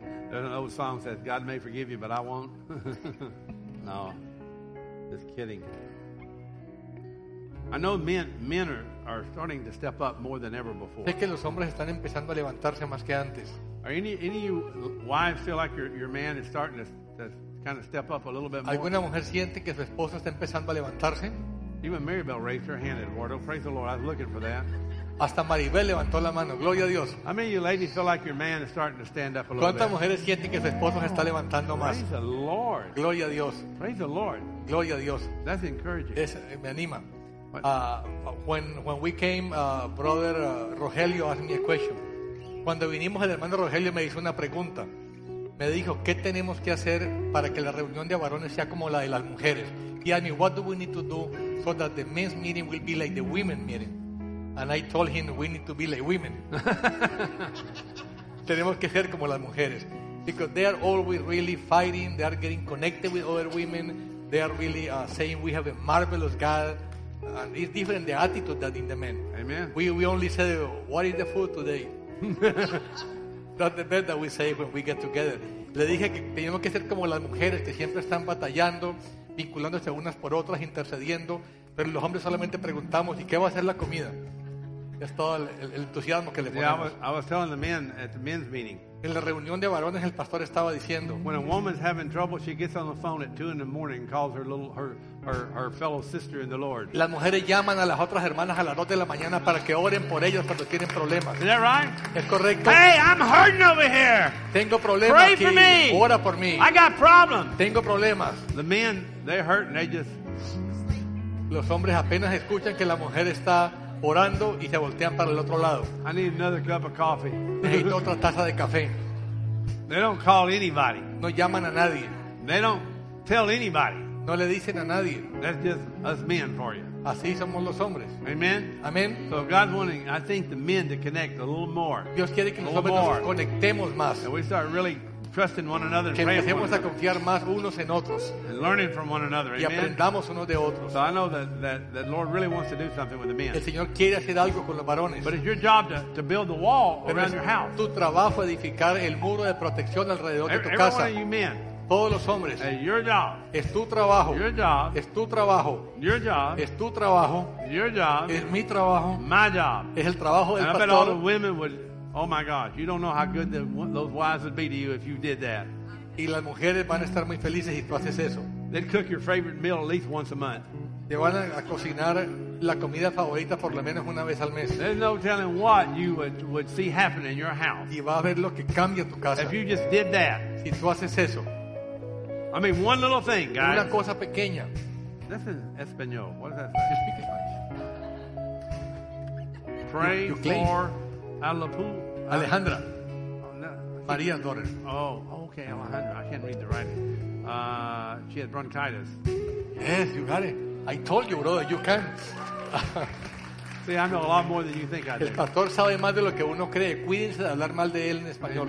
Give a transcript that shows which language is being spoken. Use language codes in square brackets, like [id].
[en] There's an old song that says, God may forgive you, but I won't. No, just kidding. I know men are starting to step up more than ever before. [es] Sé que los hombres están empezando a levantarse más que antes. [en] Are any of you wives feel like your man is starting to kind of step up a little bit more? [es] ¿Alguna mujer siente que su esposo está empezando a levantarse? [en] Even Maribel raised her hand, Eduardo. Praise the Lord. I was looking for that. [es] Hasta Maribel levantó la mano. Gloria a Dios. [en] How many of you ladies feel like your man is starting to stand up a little bit? [es] ¿Cuántas mujeres sienten que su esposo se está levantando más? [en] Praise the Lord. [es] Gloria a Dios. [en] Praise the Lord. [es] Gloria a Dios. [en] That's encouraging. [es] Es, me anima. [en] When we came, brother Rogelio asked me a question. [es] Cuando vinimos, el hermano Rogelio me hizo una pregunta. Me dijo, ¿qué tenemos que hacer para que la reunión de varones sea como la de las mujeres? [en] He asked me, what do we need to do so that the men's meeting will be like the women's meeting? And I told him, we need to be like women. [es] Tenemos que ser como las mujeres. [en] Because they are always really fighting, they are getting connected with other women, they are really saying we have a marvelous God. And it's different the attitude than in the men. Amen. We only say, what is the food today? That's the best that we say when we get together. [es] Le dije que tenemos que ser como las mujeres que siempre están batallando, vinculándose unas por otras, intercediendo, pero los hombres solamente preguntamos, ¿y qué va a ser la comida? Es todo el entusiasmo que le ponemos. [en] Yeah, I was telling the men at the men's meeting. [es] En la reunión de varones el pastor estaba diciendo, [en] when a woman's having trouble, she gets on the phone at 2 in the morning and calls her fellow sister in the Lord. [es] Las mujeres llaman a las otras hermanas a las 2 de la mañana para que oren por ellas cuando tienen problemas. [en] Is that right? [es] Es correcto. [en] Hey, I'm hurting over here. [es] Tengo problemas. [en] Pray [es] aquí. [en] For me. [es] Ora por mí. [en] I got problems. [es] Tengo problemas. [en] The men, they hurt and they just. [es] Los hombres apenas escuchan que la mujer está orando y se voltean para el otro lado. [en] I need another cup of coffee. [es] Necesito otra taza de café. [en] They don't call anybody. [es] No llaman a nadie. [en] They don't tell anybody. [es] No le dicen a nadie. [en] That's just us men for you. [es] Así somos los hombres. [en] Amen. Amen. So God's wanting, I think, the men to connect a little more. [es] Dios quiere que nosotros nos conectemos más. [en] And we start really trusting one another. [es] Que empecemos a confiar más unos en otros. [en] And learning from one another. [es] Y aprendamos unos de otros. [en] So I know that the Lord really wants to do something with the men. [es] El Señor quiere hacer algo con los varones. [en] But it's your job to build the wall around your house. [es] Tu trabajo edificar el muro de protección alrededor de tu casa. [en] Every one of you men. [es] Todos los hombres. [en] Hey, your job. [es] Es tu trabajo. [en] Your job. [es] Es tu trabajo. [en] Your job. [es] Es tu trabajo. [en] Your job. [es] Es mi trabajo. [en] My job. [es] Es el trabajo del [en] and [es] pastor. [en] I bet all the women would. Oh my God, you don't know how good those wives would be to you if you did that. [es] Y las mujeres van a estar muy felices si tú haces eso. [en] They'd cook your favorite meal at least once a month. [es] Te van a cocinar la comida favorita por lo menos una vez al mes. [en] There's no telling what you would see happen in your house. [es] Y va a ver lo que cambia tu casa. [en] If you just did that. [es] Si tú haces eso. [en] I mean, one little thing, guys. [es] Una cosa pequeña. [en] This is Espanol. What does that say? You speak Spanish. Pray for Alapu. Alejandra. Maria's daughter. Oh, okay, Alejandra. I can't read the writing. She had bronchitis. Yes, you got it. I told you, brother, you can. See, I know a lot more than you think I do. [es] El pastor sabe más de lo que uno cree. Cuídense de hablar mal de él en español.